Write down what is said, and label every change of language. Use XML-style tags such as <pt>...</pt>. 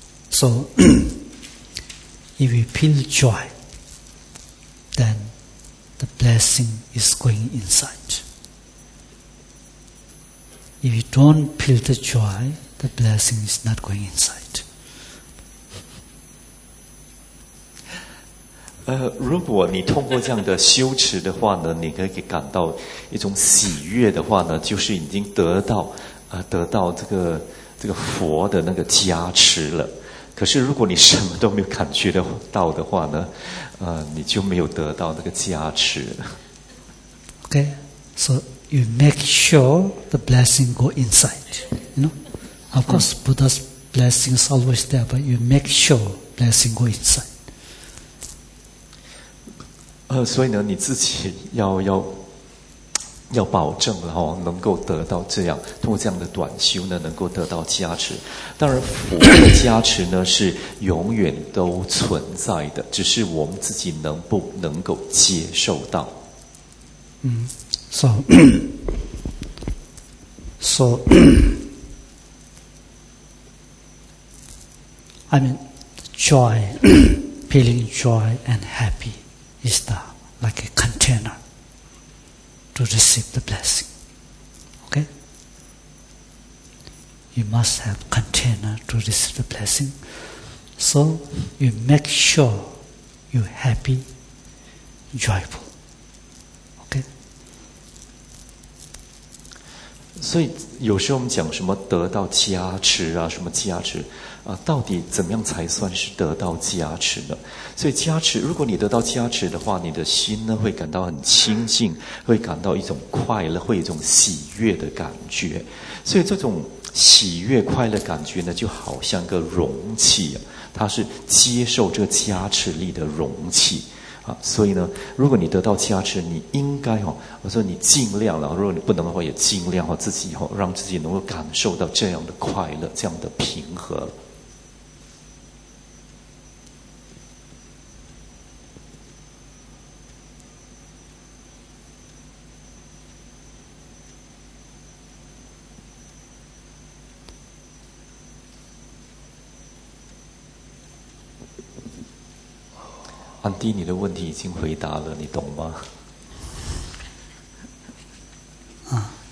<en>So, if you feel joy, then the blessing is going inside. If you don't feel the joy, the blessing is not going inside.</en> <zh>如果你通过这样的修持的话呢，你可以感到一种喜悦的话呢，就是已经得到这个佛的那个加持了，可是如果你什么都没有感觉到的话呢，你就没有得到那个加持了。</zh> <en>Okay, so you make sure the blessing go inside. You know, of course, Buddha's blessing is always there, but you make sure blessing go inside.</en> <zh>所以呢，你自己要保证了哦，能够得到这样，通过这样的短修呢，能够得到加持。当然，佛的加持呢是永远都存在的，只是我们自己能不能够接受到。</zh> <en>So, I mean, joy, feeling joy and happy is the like a container. To receive the blessing. Okay? You must have a container to receive the blessing. So you make sure you're happy, joyful. Okay?</en> <zh>所以有时候我们讲什么得到加持啊，什么加持啊，到底怎么样才算是得到加持呢？所以加持，如果你得到加持的话，你的心呢会感到很清净，会感到一种快乐，会有一种喜悦的感觉。所以这种喜悦快乐感觉呢，就好像个容器啊，它是接受这加持力的容器。所以呢，如果你得到加持，你应该哈，我说你尽量了。如果你不能的话，也尽量哈，自己哈，让自己能够感受到这样的快乐，这样的平和。安迪，你的问题已经回答了，你懂吗？啊</zh>